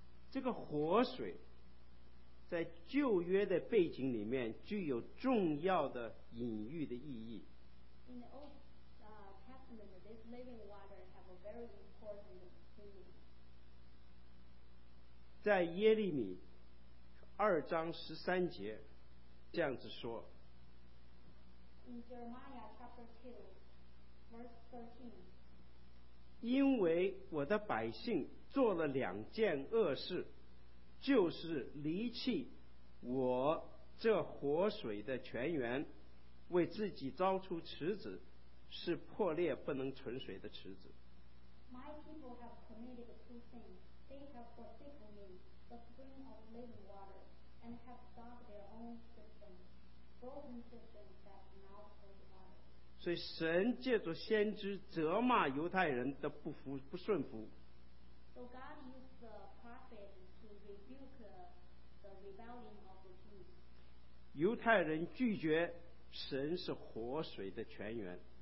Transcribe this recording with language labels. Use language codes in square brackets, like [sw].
[zh] 这个活水在旧约的背景里面具有重要的隐喻的意义。 [en] In the Old Testament, this living water have a very important meaning. [zh] 在耶利米二章十三节这样子说。 [en] In Jeremiah chapter 2, verse 13. [zh] 因为我的百姓做了两件恶事，就是离弃我这活水的泉源，为自己凿出池子，是破裂不能存水的池子。 [en] My people have committed two things. They have forsaken me, the spring of living water, and have dug their own cistern, broken cistern that now holds water. [zh] 所以神借着先知责骂犹太人的不服不顺服。 [en] So God used the prophet to rebuke the rebellion of the Jews. [zh] 犹太人拒绝神是活水的泉源。